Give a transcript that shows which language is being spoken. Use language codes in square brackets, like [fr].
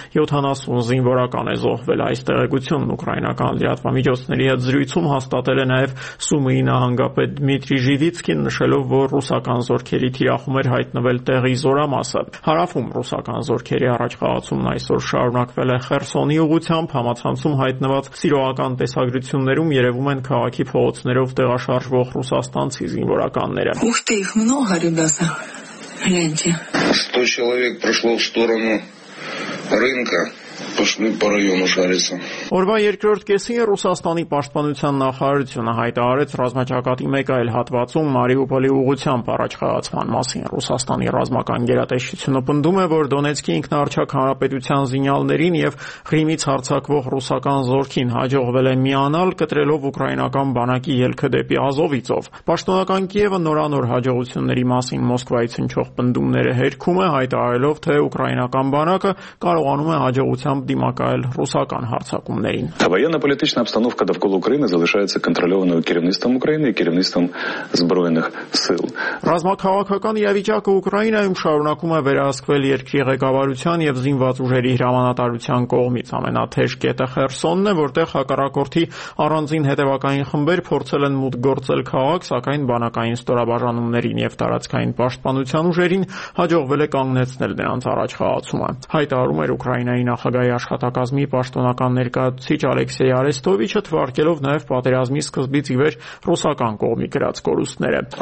[hy] 70 զինվորական է զոհվել։ Այս տեղեկությունն ուկրաինական լրատվամիջոցների հետ զրույցում հաստատել է նաև Սումիի նահանգապետ Դմիտրի Ժիվիցկին, նշելով, որ ռուսական զորքերի թիրախում էր հայտնվել տեղի զորամասը։ Հարավում ռուսական զորքերի առաջխաղացումն այսօր շարունակվել է Խերսոնի ուղությամբ, համացանցում հայտնված սիրողական տեսագրություններում երևում են քաղաքի փողոցներով տեղաշարժվող ռուսաստանցի զինվորականները։ [ru] Ух ты, их много, ребята. Гляньте. 100 человек прошло в сторону рынка. [hy] Օրվա երկրորդ կեսին Ռուսաստանի պաշտպանության նախարարությունը հայտարարեց ռազմաճակատի մեկ այլ հատվածում Մարիուպոլի ուղղությամբ առաջ խաղացման մասին։ Ռուսաստանի ռազմական գերատեսչությունը պնդում է, որ Դոնեցկի ինքնարչակ հանրապետության զինյալներին և Ղրիմից հարձակվող ռուսական զորքին հաջողվել է միանալ, կտրելով ուկրաինական բանակի ելքը դեպի Ազովիցով։ Պաշտոնական Կիևը նորանոր հաջողությունների մասին Մոսկվայից հնչող պնդումները հերքում է, հայտարարելով, թե ուկրաինական բանակը կարողանում է հաջողությամբ դիմակայել ռուսական հարձակումներին։ [uk] Военно-политична обстановка довкола Украины залишається контрольованою керівництвом України і керівництвом збройних сил. [hy] Ռազմաքաղաքական իրավիճակը Ուկրաինայում շարունակում է վերահսկվել երկրի ղեկավարության և զինված ուժերի հրամանատարության կողմից։ Ամենաթեժ կետը Խերսոնն է, որտեղ հակառակորդի առանձին հետևակային խմբեր փորձել են մուտք գործել քաղաք, սակայն բանակային ստորաբաժանումներին և տարածքային պաշտպանության ուժերին հաջողվել է կանգնեցնել նրանց առաջխաղացումը։ Հայտարարում էր Ուկրաինայի նախագահի աշխատակազմի պաշտոնական ներկայացուցիչ Ալեքսեյ Արեստովիչը, թվարկելով նաև պատերազմի սկզբից ի վեր ռուսական կողմի գրած կորուստները։